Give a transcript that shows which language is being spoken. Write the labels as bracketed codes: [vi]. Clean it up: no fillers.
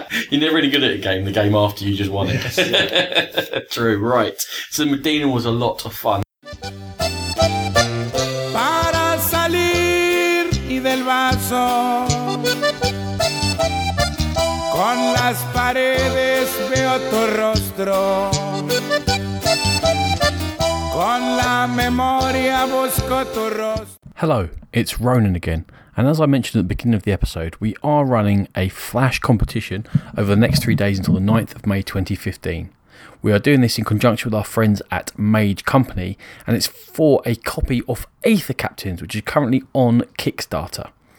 [en] You're never really good at a game, the game after you just won it. Yes. True, right. So Medina was a lot of fun. [es] Para salir y del vaso, con las paredes veo tu rostro, con la memoria busco tu rostro. [en] Hello, it's Ronan again, and as I mentioned at the beginning of the episode, we are running a Flash competition over the next 3 days until the 9th of May 2015. We are doing this in conjunction with our friends at Mage Company, and it's for a copy of Aether Captains, which is currently on Kickstarter.